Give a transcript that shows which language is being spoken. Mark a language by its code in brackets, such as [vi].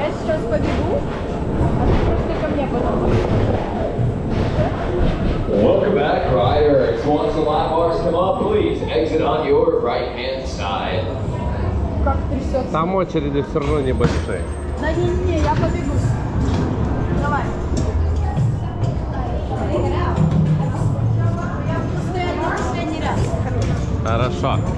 [ru] сейчас побегу, а ты просто ко мне потом. [en] Welcome back, riders. Once the lap bars come up, please exit on your right-hand side. [ru] Как трясется. Там очереди все равно небольшие. Да не-не-не, я побегу. Давай. Хорошо.